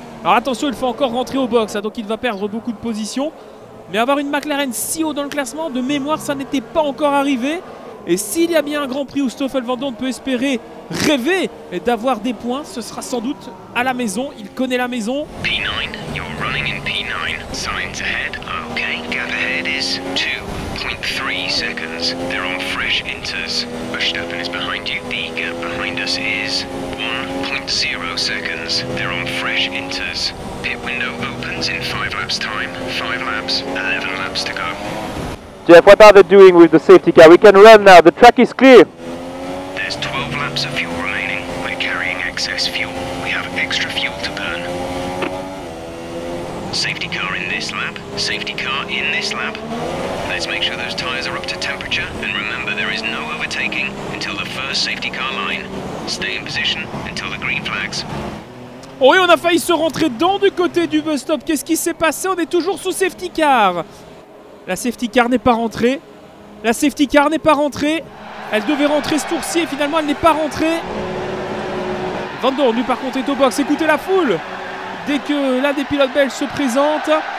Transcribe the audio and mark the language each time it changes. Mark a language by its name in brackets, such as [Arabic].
[French] Alors attention, il faut encore rentrer au box, donc il va perdre beaucoup de positions. Mais avoir une McLaren si haut dans le classement, de mémoire, ça n'était pas encore arrivé. Et s'il y a bien un Grand Prix où Stoffel Vandoorne peut espérer rêver d'avoir des points, ce sera sans doute à la maison. Il connaît la maison. [English] P9, you're running in P9. Signs ahead. Okay, gap ahead is 2.3 seconds. They're on fresh inters. Verstappen is behind you. The gap behind us is 1.0 seconds. They're on fresh inters. Pit window opens in 5 laps time. 5 laps, 11 laps to go. Jeff, what are they doing with the safety car? We can run now. The track is clear. There's 12 laps of fuel remaining. We're carrying excess fuel. We have extra fuel to burn. Safety car in this lap. Safety car in this lap. Let's make sure those tires are up to temperature. And remember, there is no overtaking until the first safety car line. Stay in position until the green flags. [French] Oh, et on a failli se rentrer dedans du côté du bus stop. Qu'est-ce qui s'est passé? On est toujours sous safety car. La safety car n'est pas rentrée. La safety car n'est pas rentrée. Elle devait rentrer ce tour-ci et finalement elle n'est pas rentrée. Vandoorne, lui, par contre, est au box. Écoutez la foule. Dès que l'un des pilotes belges se présente.